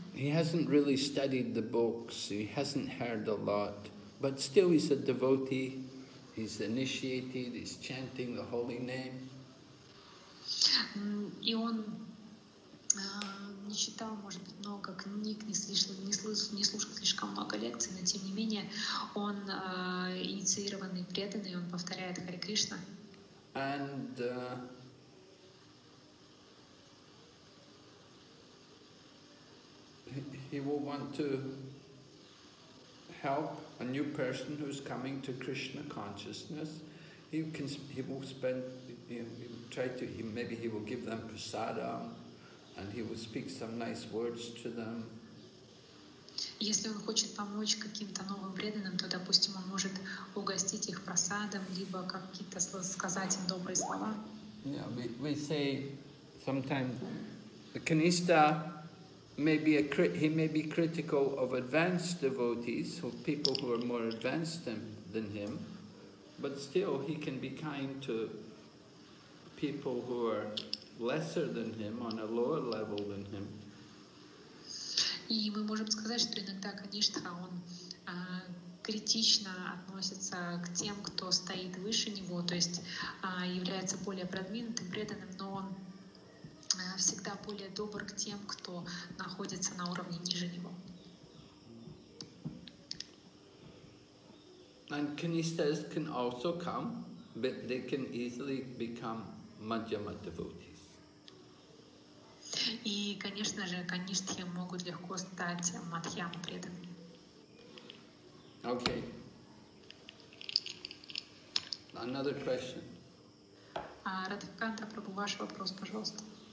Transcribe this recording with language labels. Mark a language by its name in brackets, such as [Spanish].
[English] He hasn't really studied the books, he hasn't heard a lot, but still he's a devotee, he's initiated, he's chanting the holy name. [Russian] И он не читал, может быть, много книг, не слушал слишком много лекций, но тем не менее он инициированный преданный, он повторяет Харе Кришна. [English] And he will want to help a new person who's coming to Krishna consciousness. He will give them prasadam, and he will speak some nice words to them. [Russian] Если он хочет помочь каким-то новым преданным, то, допустим, он может угостить их прасадом, либо какие-то сказать им добрые слова. [English] Yeah, we say sometimes the kanista. He may be critical of advanced devotees, of people who are more advanced than him, but still he can be kind to people who are lesser than him, on a lower level than him. [Russian] И мы можем сказать, что иногда, конечно, он критично относится к тем, кто стоит выше него, то есть является более продвинутым, преданным, но он всегда более добр к тем, кто находится на уровне ниже него. [English] And kinistas can also come, but they can easily become madhyama devotees. [Russian] И, конечно же, канистхи могут легко стать мадхьяма преданными. [English] Okay. Another question. [Russian] Радхиканта Прабху, ваш вопрос, пожалуйста.